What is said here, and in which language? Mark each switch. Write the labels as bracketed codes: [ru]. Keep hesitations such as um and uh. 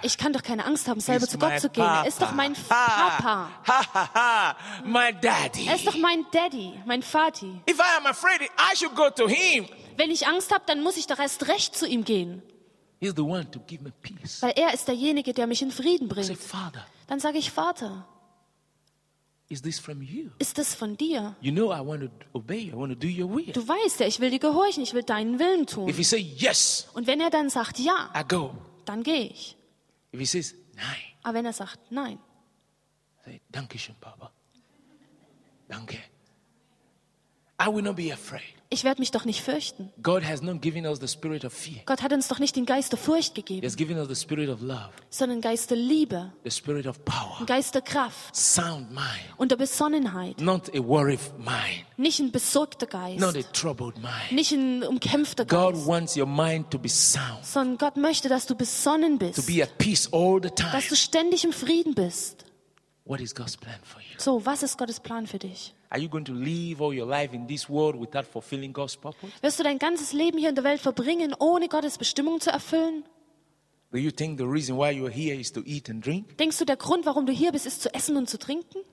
[de] Ich kann doch keine Angst haben, selber He's zu Gott zu Papa. gehen. Er ist doch mein ha. Papa. Ha, ha, [en] My Daddy. [de] Er ist doch mein Daddy, mein Vati. [en] If I am afraid, I should go to him. [de] Wenn ich Angst habe, dann muss ich doch erst recht zu ihm gehen. [en] The one to give me peace. [de] Weil er ist derjenige, der mich in Frieden bringt. Father. Dann sage ich, Vater. [en] Is this from you? [de] Ist das von dir? [en] You know, [de] du weißt ja, ich will dir gehorchen. Ich will deinen Willen tun. [en] If he yes, [de] Und wenn er dann sagt ja. Dann gehe ich. [en] If he says, nein, [de] Aber wenn er sagt nein. [en] Say, [de] danke schön, Papa. Danke. [en] I will not be afraid. [de] Ich werde mich doch nicht fürchten. [en] God has not given us the spirit of fear. [de] Gott hat uns doch nicht den Geist der Furcht gegeben. [en] He has given us the spirit of love. [de] Sondern Geist der Liebe. [en] The spirit of power. [de] Geist der Kraft. [en] Sound mind. [de] Und der Besonnenheit. [en] Not a worried mind. [de] Nicht ein besorgter Geist. [en] Not a troubled mind. [de] Nicht ein umkämpfter God Geist. [en] God wants your mind to be sound. [de] Sondern Gott möchte, dass du besonnen bist. [en] To be at peace all the time. [de] Dass du ständig im Frieden bist. [en] What is God's plan for you? [de] So, was ist Gottes Plan für dich? [en] Are you going to live all your life in this world without fulfilling God's purpose? [de] Wirst du dein ganzes Leben hier in der Welt verbringen, ohne Gottes Bestimmung zu erfüllen? [en] Do you think the reason why you're here is to eat and drink? [de] Denkst du, der Grund, warum du hier bist, ist zu essen und zu trinken?